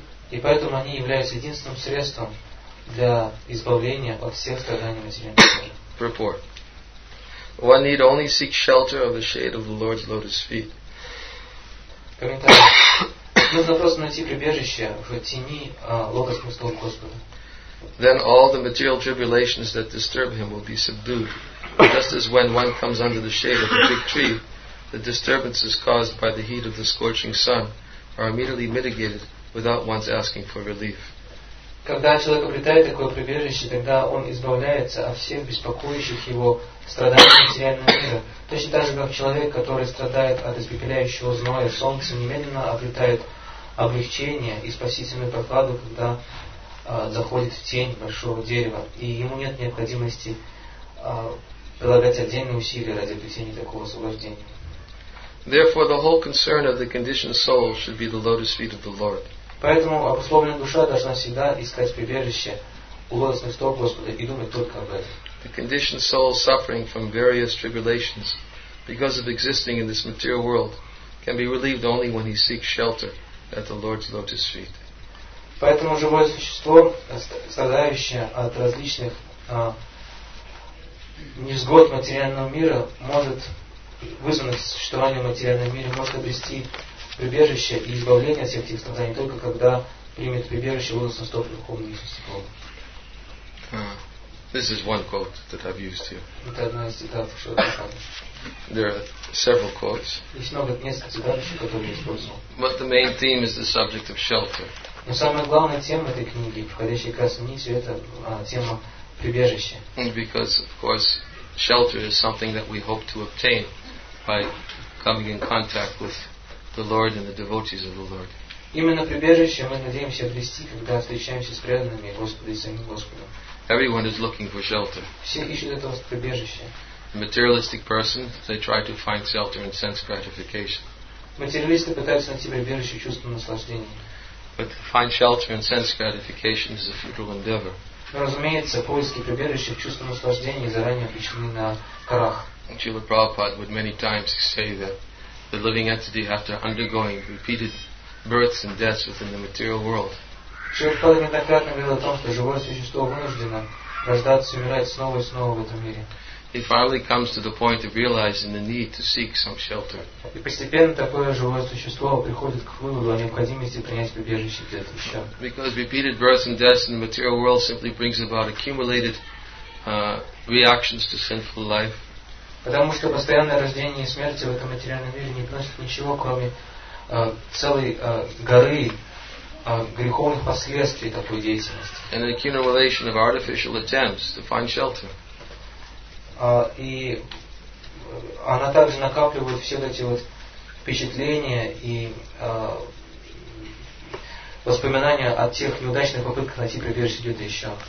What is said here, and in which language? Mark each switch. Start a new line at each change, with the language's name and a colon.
Russian: И поэтому они являются единственным средством для избавления от всех страданий материальной жизни.
English: Report. One need only seek shelter of the shade of the Lord's lotus feet.
Russian: Комментарий. Нужно просто найти прибежище в тени лотосных стоп Господа.
English: Then all the material tribulations that disturb him will be subdued. Just as when one comes under the shade of a big tree, the disturbances caused by the heat of the scorching sun are immediately mitigated without one's asking for relief.
Russian: Когда человек обретает такое прибежище, тогда он избавляется от всех беспокоящих его страданий материального мира. Точно так же, как человек, который страдает от испепеляющего зноя солнца, немедленно обретает облегчение и спасительную прохладу, когда заходит в тень большого дерева, и ему нет необходимости прилагать отдельные усилия ради обретения такого освобождения.
English: Therefore, the whole concern of the conditioned soul should be the lotus feet of the Lord.
Russian: Поэтому обусловленная душа должна всегда искать прибежище у лотосных стоп Господа и думать только об этом.
English: The conditioned soul suffering from various tribulations because of existing in this material world can be relieved only when he seeks shelter at the Lord's lotus feet.
Russian: Поэтому живое существо, страдающее от различных невзгод материального мира, может вызванных существованием материального мира, может обрести прибежище и избавление от всех этих страданий только когда примет прибежище в лотосных стоп Верховной Личности Бога.
English: This is one quote that I've used here.
Russian: Это одна из цитат, что
English: There are several quotes.
Russian: Есть много несколько цитат, которые я использовал.
English: But the main theme is the subject of shelter.
Russian: Но самая главная тема этой книги, входящей красной нитью, это тема прибежища.
English: Because, of course, shelter is something that we hope to obtain by coming in contact with the Lord and the devotees of the Lord.
Russian: Именно прибежище мы надеемся обрести, когда встречаемся с преданными Господа и самим Господом.
English: Everyone is looking for shelter.
Russian: Все ищут этого прибежища.
English: Materialistic person, they try to find shelter in sense gratification.
Russian: Материалисты пытаются найти прибежище в чувстве наслаждения.
English: But to find shelter in sense gratification is a futile endeavor.
Russian: Но, разумеется, поиски прибежища в чувстве наслаждения заранее обречены на крах.
English: Srila Prabhupada would many times say that the living entity, after undergoing repeated births and deaths within the material world,
Russian: Srila Prabhupada неоднократно говорил о том, что живое существо вынуждено рождаться и умирать снова и снова в этом мире.
English: He finally comes to the point of realizing the need to seek some shelter.
Russian: И постепенно такое живое существо приходит к выводу о необходимости принять прибежище для этого ща.
English: Because repeated births and deaths in the material world simply brings about accumulated reactions to sinful life.
Russian: Потому что постоянное рождение и смерть в этом материальном мире не приносит ничего, кроме целой горы греховных последствий такой деятельности.
English: An accumulation of artificial attempts to find shelter.
Russian: И она также накапливает все эти вот впечатления и воспоминания о тех неудачных попытках найти прибежище где-то еще.